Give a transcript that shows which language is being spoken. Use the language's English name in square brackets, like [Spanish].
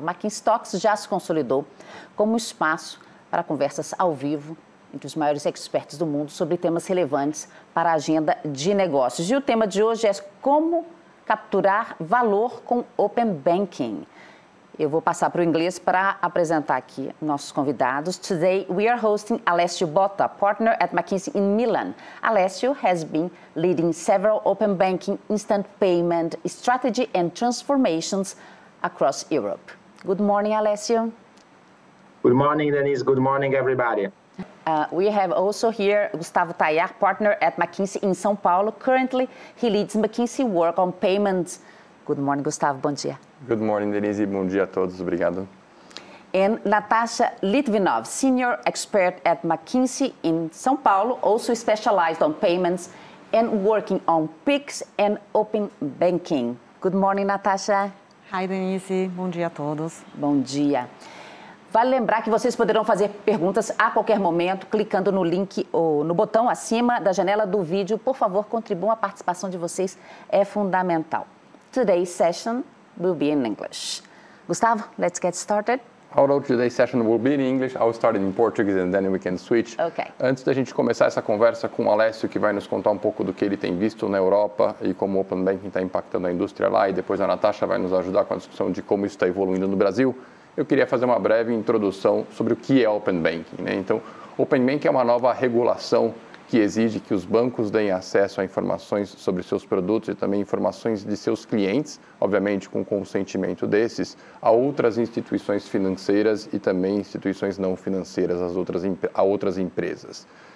[Portuguese] McKinsey Talks já se consolidou como espaço para conversas ao vivo entre os maiores experts do mundo sobre temas relevantes para a agenda de negócios. E o tema de hoje é como capturar valor com Open Banking. Eu vou passar para o inglês para apresentar aqui nossos convidados. [English] Today we are hosting Alessio Botta, partner at McKinsey in Milan. Alessio has been leading several open banking, instant payment strategy and transformations across Europe. Good morning, Alessio. Good morning, Denise. Good morning, everybody. We have also here Gustavo Tayar, partner at McKinsey in São Paulo. Currently, he leads McKinsey work on payments. Good morning, Gustavo. [Portuguese] Bom dia. [English] Good morning, Denise. [Portuguese] Bom dia a todos. Obrigado. [English] And Natacha Litvinov, senior expert at McKinsey in São Paulo, also specialized on payments and working on PIX and open banking. Good morning, Natacha. Hi, [Portuguese] Denise. Bom dia a todos. Bom dia. Vale lembrar que vocês poderão fazer perguntas a qualquer momento clicando no link ou no botão acima da janela do vídeo. Por favor, contribuam. A participação de vocês é fundamental. [English] Today's session will be in English. Gustavo, let's get started. Although today's session will be in English, I'll start in Portuguese and then we can switch. Okay. [Portuguese] Antes da gente começar essa conversa com o Alessio, que vai nos contar um pouco do que ele tem visto na Europa e como o Open Banking está impactando a indústria lá, e depois a Natacha vai nos ajudar com a discussão de como isso está evoluindo no Brasil, eu queria fazer uma breve introdução sobre o que é Open Banking, né? Então, Open Banking é uma nova regulação que exige que os bancos deem acesso a informações sobre seus produtos e também informações de seus clientes, obviamente com consentimento desses, a outras instituições financeiras e também instituições não financeiras, a outras empresas.